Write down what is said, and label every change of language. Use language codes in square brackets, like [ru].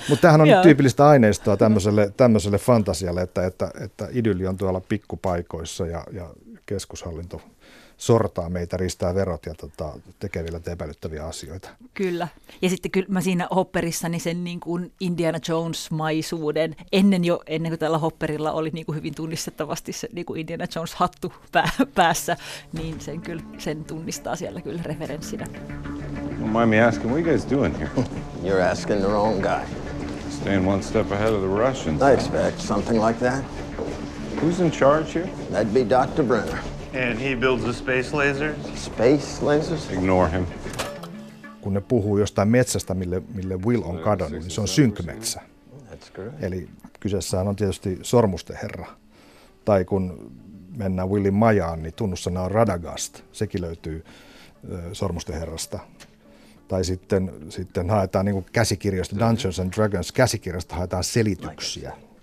[fi] Mutta tämähän on nyt tyypillistä aineistoa tämmöiselle fantasialle, että idylli on tuolla pikkupaikoissa ja keskushallinto sortaa meitä, ristää verot ja tekee vielä epäilyttäviä asioita. Kyllä. Ja sitten kyllä mä siinä Hopperissani sen niin kuin Indiana Jones-maisuuden, ennen kuin tällä Hopperilla oli niin kuin hyvin tunnistettavasti se niin kuin Indiana Jones-hattu päässä, niin sen kyllä sen tunnistaa siellä kyllä referenssinä. [en] Don't mind me asking, what are you guys doing here? You're asking the wrong guy. Staying one step ahead of the Russians. I expect something like that. Who's in charge here? That'd be Dr. Brenner. And he builds the space lasers? Space lasers? Ignore him. [fi] Kun ne puhuu jostain metsästä, mille Will on kadonnut, niin se on synkmetsä. [en] That's correct. [fi] Eli kyseessähän on tietysti Sormusten herra. Tai kun mennään Willin majaan, niin tunnussana on Radagast. Sekin löytyy Sormusten herrasta. Tai sitten haetaan niin kuin käsikirjoista, Dungeons and Dragons käsikirjasta haetaan selityksiä.